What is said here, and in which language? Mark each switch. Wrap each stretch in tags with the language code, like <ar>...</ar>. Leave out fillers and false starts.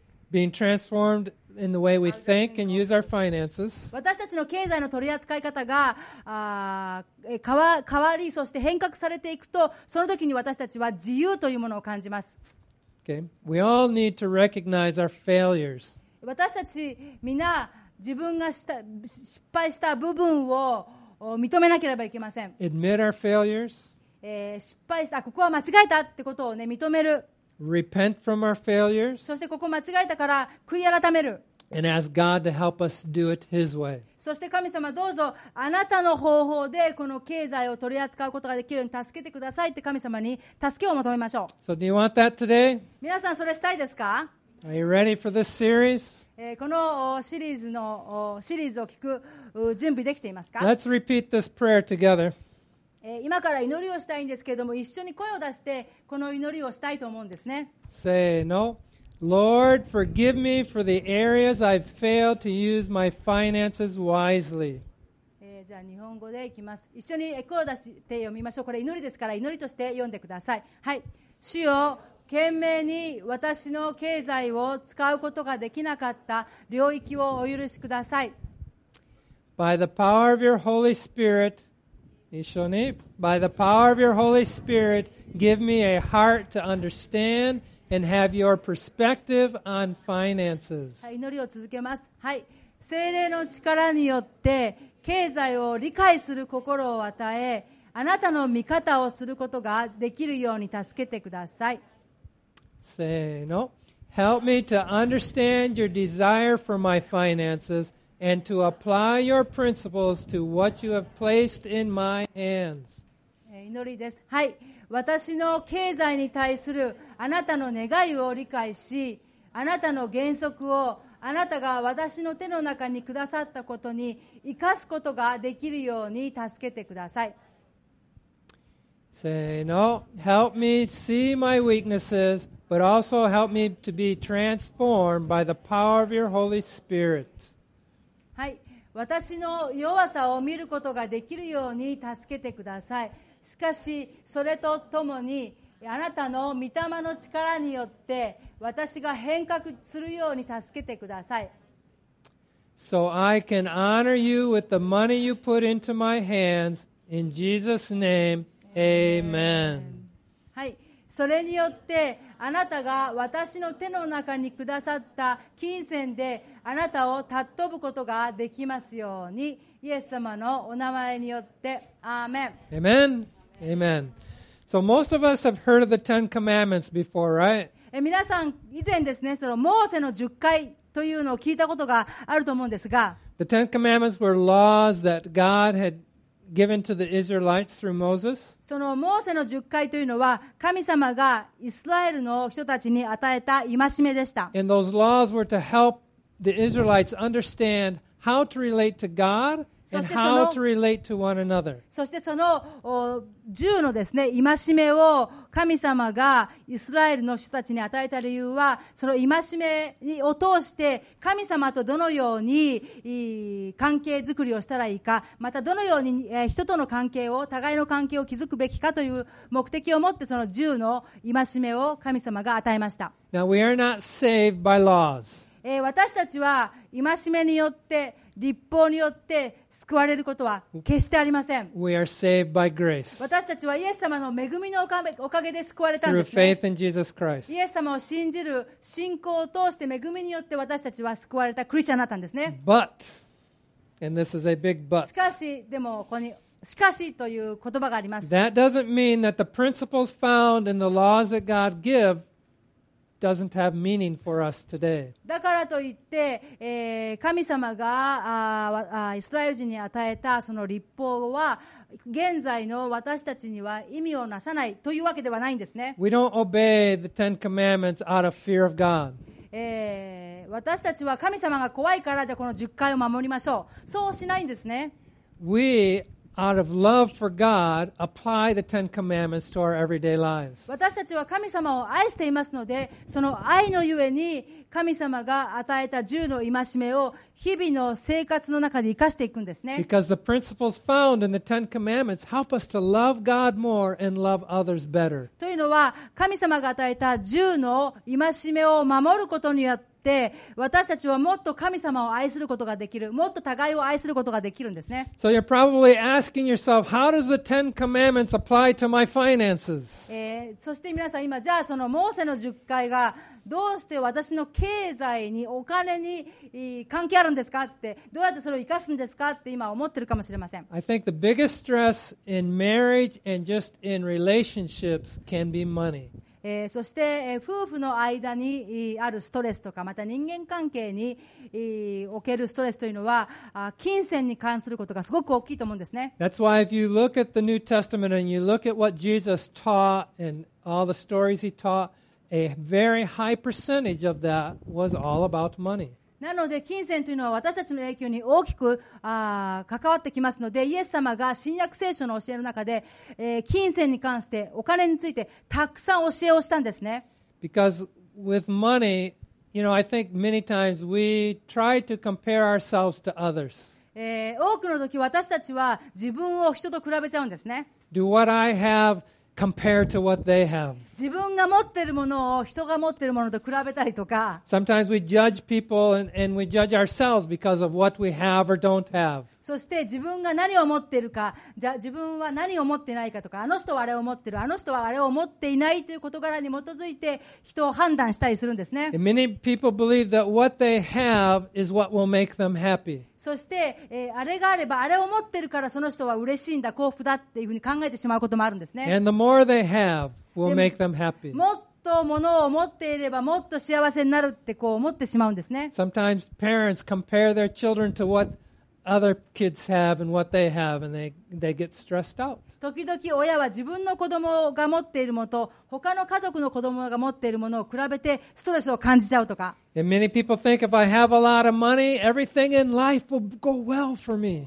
<en>Being transformed in the way we think and use our finances.</en> <ja>私たちの経済の取り扱い方が変わり、そして変革されていくと、その時に私たちは自由というものを感じます。</ja> <en>Okay. We all need to recognize our failures.</en> <ja>私たちみんな自分がした失敗した部分を認めなければいけません。</ja> <en>Admit our failures.</en> <ja>失敗した、ここは間違えたってことをね認める。</ja> <en>Repent from our failures.</en> <ja>そしてここ間違えたから悔い改める。</ja> <en>And ask God to help us do it His way.</en> <ja>そして神様どうぞあなたの方法でこの経済を取り扱うことができるように助けてくださいって神様に助けを求めましょう。</ja> <en>So do you want that today?</en> <ja>皆さんそれしたいですか?</ja> <en>Are you ready for this series?</en> <ja>このシリーズのシリーズを聞く準備できていますか?</ja> <en>Let's repeat this prayer together.</en> <ja>今から祈りをしたいんですけれども一緒に声を出してこの祈りをしたいと思うんですね。せーの。</ja> <en>Lord, forgive me for the areas I've failed to use my finances wisely.</en> <ja>じゃあ日本語でいきます。一緒に声を出して読みましょう。これ祈りですから祈りとして読んでください。はい。主よ、懸命に私の経済を使うことができなかった領域をお許しください。</ja> <en>By the power of your Holy Spirit,</en> <ja>一緒に。</ja> <en>By the power of your Holy Spirit, give me a heart to understand. And have your perspective on finances.</en> <ja>祈りを続けます。はい。聖霊の力によって経済を理解する心を与え、あなたの見方をすることができるように助けてください。せーの。</ja> <en>Help me to understand your desire for my finances and to apply your principles to what you have placed in my hands.</en> <ja>祈りです。はい。私の経済に対するあなたの願いを理解し、あなたの原則をあなたが私の手の中にくださったことに生かすことができるように助けてください。せーの。</ja> <en>Help me see my weaknesses, but also help me to be transformed by the power of your Holy Spirit.</en> <ja>はい。私の弱さを見ることができるように助けてください。しかしそれとともにあなたの御霊の力によって私が変革するように助けてください。</ja> <en>So I can honor you with the money you put into my hands in Jesus' name, Amen.</en> <ja>はい、それによってあなたが私の手の中にくださった金銭であなたを尊ぶことができますようにイエス様のお名前によってアーメン。</ja> <en>Amen. Amen. So most of us have heard of the Ten Commandments before, right?</en> <ja>皆さん以前ですね、そのモーセの十戒というのを聞いたことがあると思うんですが、</ja> <en>The Ten Commandments were laws that God had given to the Israelites through Moses.</en> <ja>そのモーセの十戒というのは神様がイスラエルの人たちに与えた戒めでした。</ja> <en>And those laws were to help the Israelites understand how to relate to God and how to relate to one another.</en> <ja>そしてその十のですね、戒めを神様がイスラエルの人たちに与えた理由は、その戒めを通して神様とどのように関係づくりをしたらいいか、またどのように人との関係を、互いの関係を築くべきかという目的を持って、その十の戒めを神様が与えました。</ja> <en>Now we are not saved by laws.</en> <ja>私たちは戒めによって立法によって救われることは決してありません。</ja> <en>We are saved by grace.</en> <ja>私たちはイエス様の恵みのおかげで救われたんですね。</ja> <en>Through faith in Jesus Christ.</en> <ja>イエス様を信じる信仰を通して恵みによって私たちは救われたクリスチャンだったんですね。</ja> <en>But, and this is a big but.</en> <ja>しかし、でもここにしかしという言葉があります。</ja> <en>That doesn't mean that the principles found in the laws that God giveDoesn't have meaning for us today.</en> <ja>だからといって、神様がイスラエル人に与えたその律法は現在の私たちには意味をなさないというわけではないんですね。</ja> <en>We don't obey the Ten Commandments out of fear of God.</en> <ja>私たちは神様が怖いからじゃこの10戒を守りましょう。そうしないんですね。</ja> <en>We out of love for God, apply the Ten Commandments to our everyday lives.</en> <ja>私たちは神様を愛していますので、その愛のゆえに神様が与えた十の戒めを日々の生活の中で生かしていくんですね。</ja> <en>Because the principles found in the Ten Commandments help us to love God more and love others better.</en> <ja>というのは、神様が与えた十の戒めを守ることによって、で私たちはもっと神様を愛することができる、もっと互いを愛することができるんですね。</ja> <en>So you're probably asking yourself, how does the Ten Commandments apply to my finances?</en> <ja>そして皆さん今、じゃあそのモーセの十戒がどうして私の経済にお金に関係あるんですかって、どうやってそれを生かすんですかって今思ってるかもしれません。</ja> <en>I think the biggest stress in marriage and just in relationships can be money.</en> <ja>そして、夫婦の間にあるストレスとか、また人間関係に、おけるストレスというのは、金銭に関することがすごく大きいと思うんですね。</ja> <en>That's why if you look at the New Testament and you look at what Jesus taught and all the stories he taught, a very high percentage of that was all about money.</en> <ja>なので金銭というのは私たちの影響に大きく関わってきますので、イエス様が新約聖書の教える中で、金銭に関してお金についてたくさん教えをしたんですね。</ja> <en>Because with money, you know, I think many times we try to compare ourselves to others.</en> <ja>多くの時私たちは自分を人と比べちゃうんですね。</ja> <en>Do what I haveCompared to what they have.</en> <ja>自分が持ってるものを人が持ってるものと比べたりとか。</ja> <en>Sometimes we judge people and we judge ourselves because of what we have or don't have.</en> <ja>そして自分が何を持ってるか、じゃ自分は何を持ってないかとか、あの人はあれを持ってる、あの人はあれを持っていないという事柄に基づいて人を判断したりするんですね。</ja> <en>And many people believe that what they have is what will make them happy.</en> <ja>そして、あれがあればあれを持ってるからその人は嬉しいんだ、幸福だっていうふうに考えてしまうこともあるんですね。</ja> <en>And the more they have will make them happy.</en> <ja>もっと物を持っていればもっと幸せになるってこう思ってしまうんですね。</ja> <en>Sometimes parents compare their children to what other kids have and what they have and they get stressed out.</en> <ja>時々親は自分の子供が持っているものと他の家族の子供が持っているものを比べてストレスを感じちゃうとか。</ja> <en>And many people think if I have a lot of money, everything in life will go well for me.</en>